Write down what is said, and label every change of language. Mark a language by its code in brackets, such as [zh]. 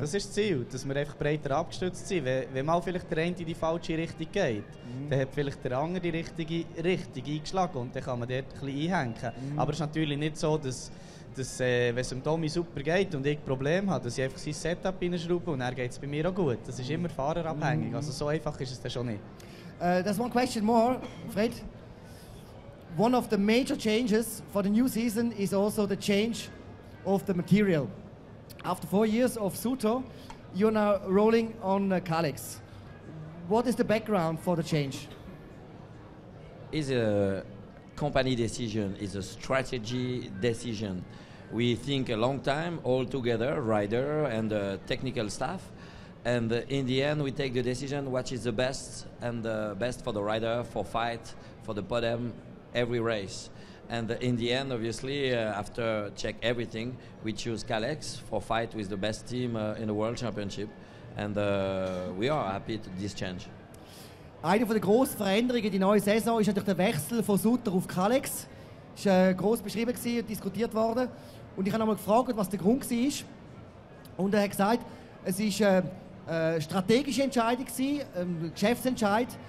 [de] Das ist das Ziel, dass wir einfach breiter abgestützt sind. Wenn mal vielleicht der eine in die falsche Richtung geht, dann hat vielleicht der andere die richtige Richtung eingeschlagen und dann kann man dort ein bisschen einhängen. Mhm. Aber es ist natürlich nicht so, dass wenn es dem Tommy super geht und ich Probleme habe, dass ich einfach sein Setup reinschraube und dann geht es bei mir auch gut. Das ist immer fahrerabhängig. Also so einfach ist es dann schon nicht. [en] There's one question more, Fred. One of the major changes for the new season is also the change of the material. After 4 years of Suto, you're now rolling on Kalex. What is the background for the change? It's a company decision, it's a strategy decision. We think a long time, all together, rider and technical staff, And in the end, we take the decision which is the best and the best for the rider, for fight, for the podium, every race. And in the end, obviously, after check everything, we choose Kalex for fight with the best team in the World Championship. And we are happy to this change. [de] Eine von den grossen Veränderungen in der neuen Saison ist natürlich der Wechsel von Sutter auf Kalex. Das war gross beschrieben und diskutiert worden. Und ich habe nochmal gefragt, was der Grund war. Und er hat gesagt, es war eine strategische Entscheidung, ein Geschäftsentscheid.